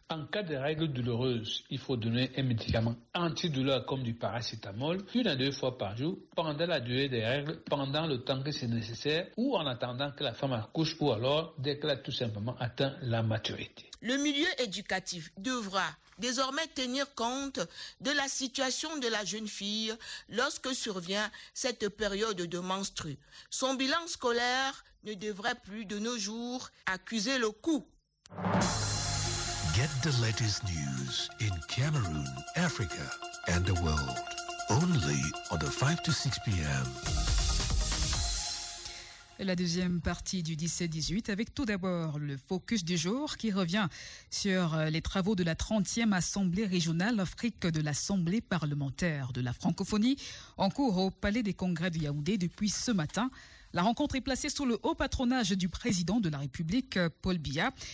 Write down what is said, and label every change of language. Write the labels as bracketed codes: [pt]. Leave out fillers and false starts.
[fr] en cas de règles douloureuses, il faut donner un médicament antidouleur comme du paracétamol une à deux fois par jour pendant la durée des règles, pendant le temps que c'est nécessaire ou en attendant que la femme accouche ou alors dès qu'elle a tout simplement atteint la maturité. Le milieu éducatif devra désormais tenir compte de la situation de la jeune fille lorsque survient cette période de menstrues. Son bilan scolaire ne devrait plus de nos jours accuser le coup. [en] Get the latest news in Cameroon, Africa and the world only on the 5 to 6 p.m. [fr] La deuxième partie du 17-18 avec tout d'abord le focus du jour qui revient sur les travaux de la 30e Assemblée régionale Afrique de l'Assemblée parlementaire de la francophonie en cours au Palais des congrès de Yaoundé depuis ce matin. La rencontre est placée sous le haut patronage du président de la République, Paul Biya.